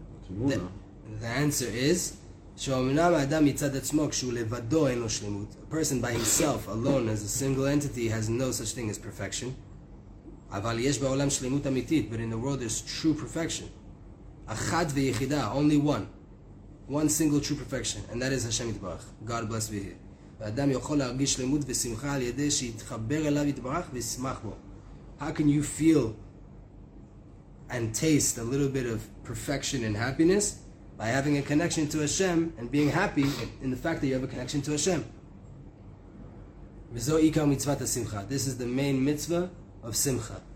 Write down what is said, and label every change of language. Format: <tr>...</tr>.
<en>The answer is,</en> <he>shomnam adam mitzad atzmo kshu levado ein lo shlemut.</he> <en>A person by himself, alone, as a single entity, has no such thing as perfection.</en> <he>אבל יש בעולם שלמות אמיתית,</he> <en>but in the world there's true perfection.</en> <he>אחד ויחידה,</he> <en>only one. One single true perfection, and that is Hashem Yitbarach. God bless be here.</en> <he>ואדם יכול להרגיש שלמות ושמחה על ידי שיתחבר אליו יתברך וישמח בו.</he> <en>How can you feel and taste a little bit of perfection and happiness by having a connection to Hashem and being happy in the fact that you have a connection to Hashem?</en> <he>וזו עיקר מצוות השמחה.</he> <en>This is the main mitzvah of simcha.</en>